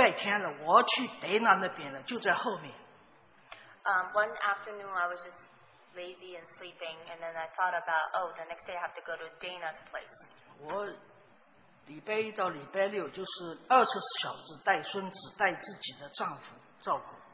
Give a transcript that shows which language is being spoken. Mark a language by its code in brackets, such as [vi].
[zh] 又有一件事呢，我一天下午我正巧懒睡得很，我想，哎呀，明天是礼拜天了，我去德南那边了，就在后面。 [en] One afternoon I was just lazy and sleeping, and then I thought about, oh, the next day I have to go to Dana's place. [zh] 我礼拜一到礼拜六就是24小时带孙子带自己的丈夫照顾。